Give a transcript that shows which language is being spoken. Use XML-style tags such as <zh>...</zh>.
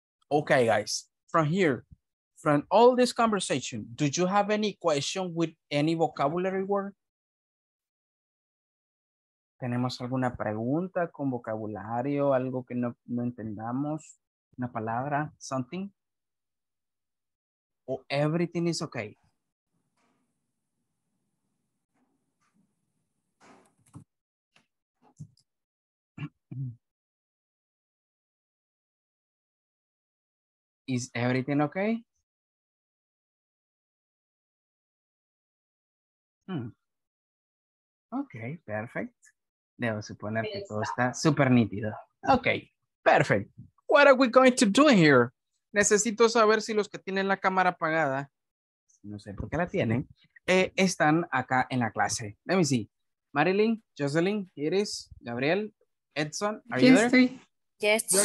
<en>Okay, guys, from here, from all this conversation, do you have any question with any vocabulary word?</en> <es>¿Tenemos alguna pregunta con vocabulario, algo que no entendamos, una palabra, something?</es> <en>¿O everything is okay? Is everything okay?</en> <es>Okay, perfect. Debo suponer que todo está super nítido.</es> <en>Okay, perfect. What are we going to do here?</en> <es>Necesito saber si los que tienen la cámara apagada, no sé por qué la tienen, están acá en la clase.</es> <en>Let me see. Marilyn, Jocelyn, Iris, Gabriel, Edson, are you there?</en>